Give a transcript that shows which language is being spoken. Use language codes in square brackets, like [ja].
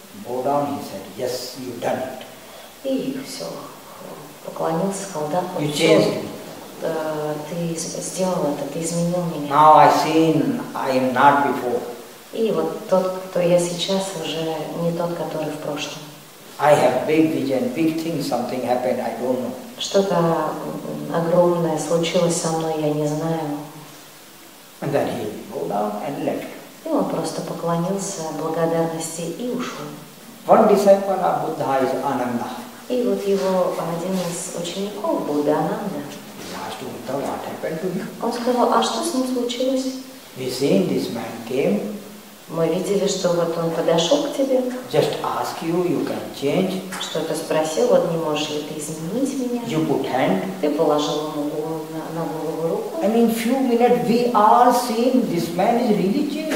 [en] Bow down, he said, yes, you've done it. [ru] И все, поклонился, сказал, да, [en] you changed me. [ru] Ты сделал это, ты изменил меня. [en] Now I seen, I am not before. [ru] И вот тот, кто я сейчас, уже не тот, который в прошлом. [en] I have big vision, big thing, something happened, I don't know. [ru] Что-то огромное случилось со мной, я не знаю. [en] And then he bowed down and left. [ru] И он просто поклонился благодарности и ушел. [en] One disciple of Buddha is Ananda. [ru] И вот его один из учеников Будды Ананда. [en] He asked Buddha, what happened to him? [ru] Он сказал, а что с ним случилось? [en] We seen this man came. [ru] Мы видели, что вот он подошел к тебе. [en] Just ask you, you can change. [ru] Что-то спросил, вот не можешь ли ты изменить меня? [en] You put hand. [ru] Ты положил ему на голову руку. [en] I mean, few minutes, we all seen this man is really changed.